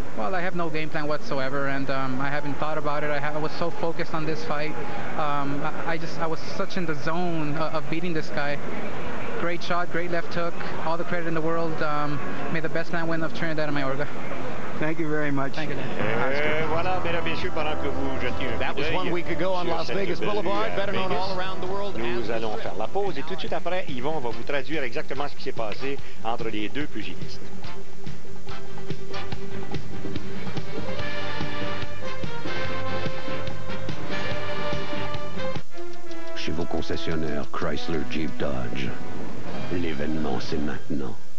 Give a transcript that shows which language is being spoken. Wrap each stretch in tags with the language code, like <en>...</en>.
<en>Well, I have no game plan whatsoever, and I haven't thought about it. I was so focused on this fight. I was such in the zone of beating this guy. Great shot, great left hook, all the credit in the world. May the best man win of Trinidad and Mayorga. Thank you very much. Thank you.</en> <fr>Voilà, mesdames, messieurs, pendant que vous jetiez un</fr> <en>That was one week ago on Las Vegas Boulevard, better known all around the world.</en> <fr>Nous allons faire la pause, et tout de suite après, Yvon va vous traduire exactement ce qui s'est passé entre les deux pugilistes. Chez vos concessionnaires Chrysler Jeep Dodge, l'événement c'est maintenant.</fr>